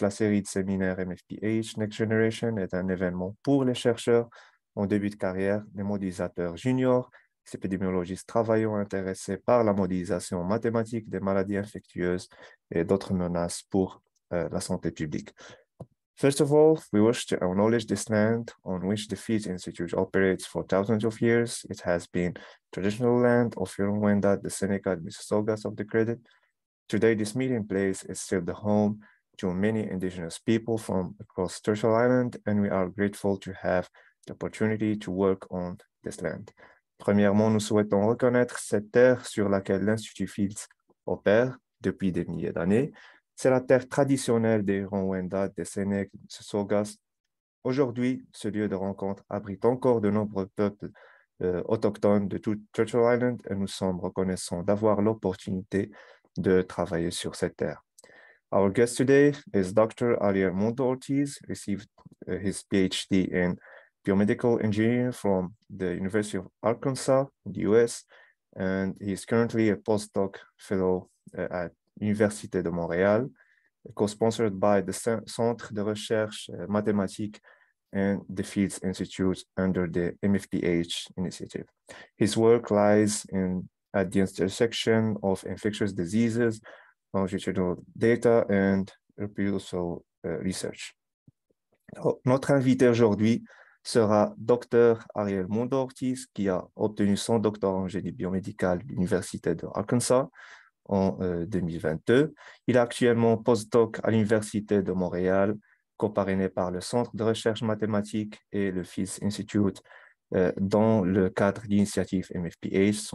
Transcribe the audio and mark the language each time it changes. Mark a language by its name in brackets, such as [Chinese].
[French] La série de séminaires MFPH Next Generation est un événement pour les chercheurs en début de carrière, les modélisateurs juniors, épidémiologistes travaillant intéressés par la modélisation mathématique des maladies infectieuses et d'autres menaces pour la santé publique. [English] First of all, we wish to acknowledge this land on which the Feet Institute operates for thousands of years. It has been traditional land of Huron-Wendat, the Seneca, and Mississaugas of the Credit. Today, this meeting place is still the home to many indigenous people from across Turtle Island, and we are grateful to have the opportunity to work on this land. [French] Premièrement, nous souhaitons reconnaître cette terre sur laquelle l'Institut Fields opère depuis des milliers d'années. C'est la terre traditionnelle des Huron-Wendat, des Sénèques, des Mississaugas. Aujourd'hui, ce lieu de rencontre abrite encore de nombreux peuples autochtones de toute Turtle Island et nous sommes reconnaissants d'avoir l'opportunité de travailler sur cette terre. [English] Our guest today is Dr. Ariel Mundo Ortiz, received his PhD in biomedical engineer from the University of Arkansas in the US, and he is currently a postdoc fellow at Université de Montréal, co-sponsored by the Centre de Recherche Mathématique and the Fields Institute under the MFPH initiative. His work lies at the intersection of infectious diseases, longitudinal data, and reproducible research. [French] Notre invité aujourd'hui sera Dr. Ariel Mundo Ortiz, qui a obtenu son doctorat en génie biomédical de l'Université de Arkansas en 2022. Il est actuellement postdoc à l'Université de Montréal, co-parrainé par le Centre de recherche mathématique et le Fields Institute dans le cadre d'initiative MFPH.